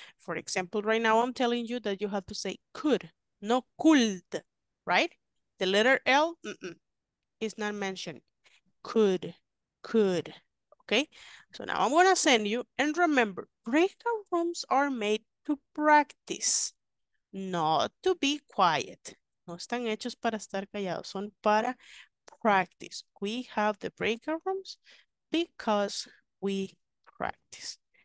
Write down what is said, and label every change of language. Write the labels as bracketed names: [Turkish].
[English] For example, right now I'm telling you that you have to say could. No could, right? The letter L is not mentioned. Could, okay? So now I'm gonna send you, and remember, breakout rooms are made to practice, not to be quiet. [Spanish] No están hechos para estar callados, son para practice. [English] We have the breakout rooms because we practice.